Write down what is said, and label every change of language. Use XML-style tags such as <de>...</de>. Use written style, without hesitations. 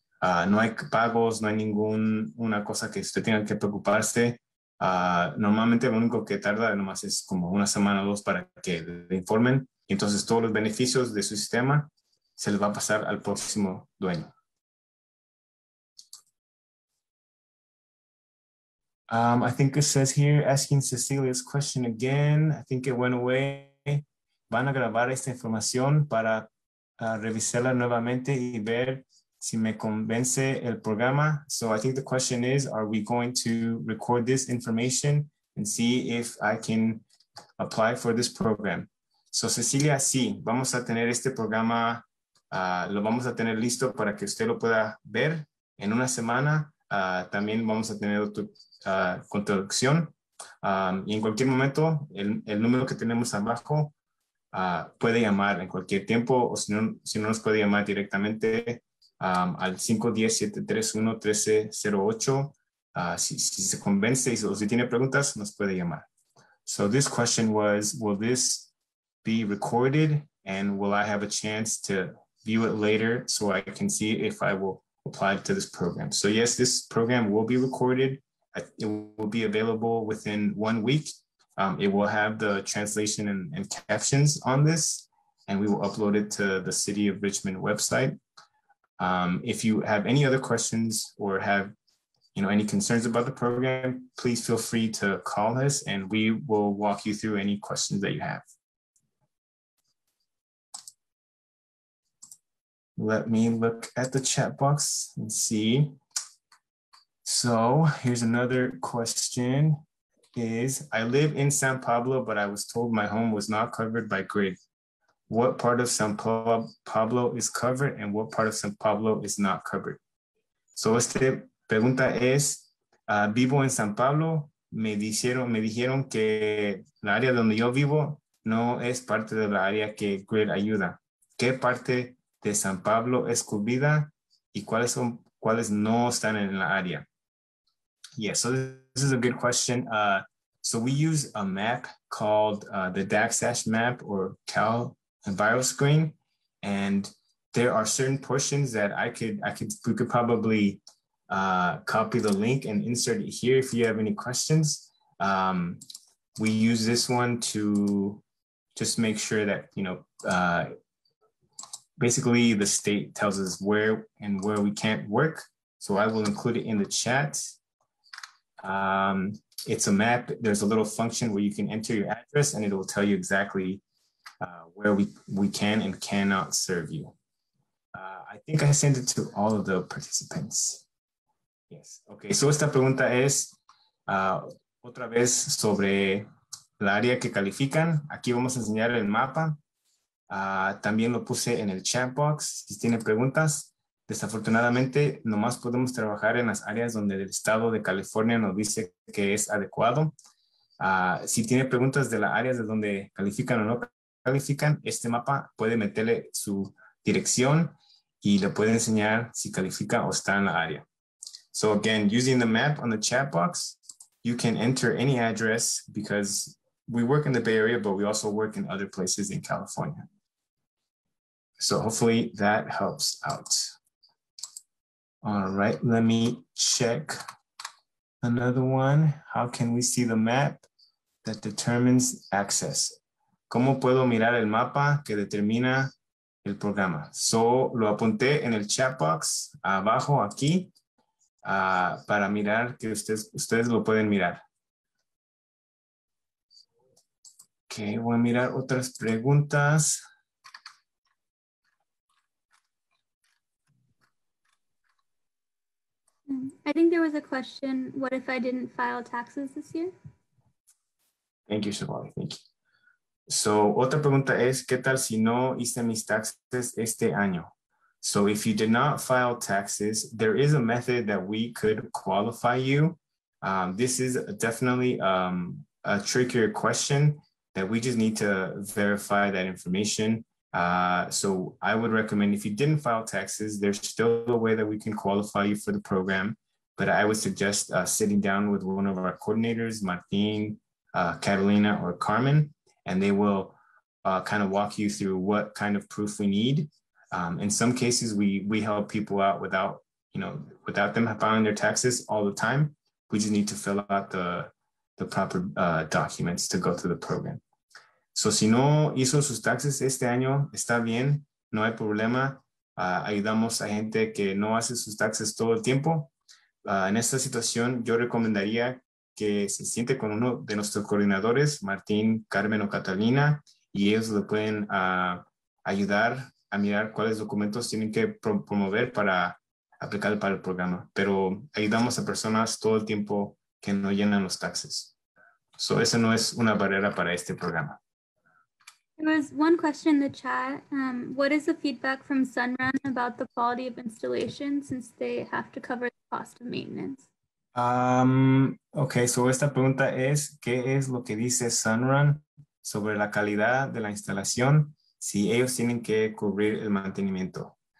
<es>No hay pagos, no hay ninguna cosa que usted tenga que preocuparse. Normalmente, lo único que tarda nomás es como una semana o dos para que le informen. Entonces, todos los beneficios de su sistema se les va a pasar al próximo dueño.</es> <en>I think it says here, asking Cecilia's question again. I think it went away.</en> <es>Van a grabar esta información para revisarla nuevamente y ver si me convence el programa.</es> <en>So I think the question is, are we going to record this information and see if I can apply for this program?</en> <es>So Cecilia, sí, vamos a tener este programa. Lo vamos a tener listo para que usted lo pueda ver en una semana. También vamos a tener otro construcción y en cualquier momento el número que tenemos abajo puede llamar en cualquier tiempo o si no nos puede llamar directamente al 510-731-1308 si se convence o si tiene preguntas nos puede llamar.</es> <en>So this question was, will this be recorded and will I have a chance to view it later so I can see if I will apply to this program? So yes, this program will be recorded. It will be available within 1 week. It will have the translation and captions on this, and we will upload it to the City of Richmond website. If you have any other questions or have, you know, any concerns about the program, please feel free to call us and we will walk you through any questions that you have. Let me look at the chat box and see. So here's another question. Is, I live in San Pablo, but I was told my home was not covered by grid. What part of San Pablo is covered and what part of San Pablo is not covered?</en> <es>So esta pregunta es, vivo en San Pablo, me dijeron que la área donde yo vivo no es parte de la área que grid ayuda. ¿Qué parte de San Pablo es cubierta y cuáles no están en la área?</es> <en>Yeah, so this is a good question. So we use a map called the DAXash map or Cal EnviroScreen, and there are certain portions that we could probably copy the link and insert it here if you have any questions. We use this one to just make sure that, you know, basically the state tells us where and where we can't work. So I will include it in the chat. It's a map. There's a little function where you can enter your address and it will tell you exactly where we can and cannot serve you. I think I sent it to all of the participants. Yes. Okay.</en> <es>So esta pregunta es otra vez sobre la área que califican. Aquí vamos a enseñar el mapa. También lo puse en el chat box. Si tienen preguntas, desafortunadamente, nomás podemos trabajar en las áreas donde el estado de California nos dice que es adecuado. Si tiene preguntas de las áreas de donde califican o no califican, este mapa puede meterle su dirección y le puede enseñar si califica o está en la área.</es> <en>So again, using the map on the chat box, you can enter any address because we work in the Bay Area, but we also work in other places in California. So hopefully that helps out. All right, let me check another one. How can we see the map that determines access?</en> <es>¿Cómo puedo mirar el mapa que determina el programa? So lo apunté en el chat box abajo aquí para mirar que ustedes lo pueden mirar. Okay, voy a mirar otras preguntas.</es> <en>I think there was a question, what if I didn't file taxes this year? Thank you, Shivali, thank you.</en> <es>So, otra pregunta es, ¿qué tal si no hice mis taxes este año?</es> <en>So, if you did not file taxes, there is a method that we could qualify you. This is definitely a trickier question that we just need to verify that information. So I would recommend if you didn't file taxes, there's still a way that we can qualify you for the program, but I would suggest sitting down with one of our coordinators, Martin, Catalina, or Carmen, and they will kind of walk you through what kind of proof we need. In some cases, we help people out without, you know, without them filing their taxes all the time. We just need to fill out the proper documents to go through the program.</en> <es>So si no hizo sus taxes este año, está bien, no hay problema. Ayudamos a gente que no hace sus taxes todo el tiempo. En esta situación, yo recomendaría que se siente con uno de nuestros coordinadores, Martín, Carmen o Catalina, y ellos le pueden ayudar a mirar cuáles documentos tienen que promover para aplicar para el programa. Pero ayudamos a personas todo el tiempo que no llenan los taxes. So esa no es una barrera para este programa.</es> <en>There was one question in the chat. What is the feedback from Sunrun about the quality of installation since they have to cover the cost of maintenance?</en> <es>Okay, so esta pregunta es, ¿qué es lo que dice Sunrun sobre la calidad de la instalación si ellos tienen que cubrir el mantenimiento?</es>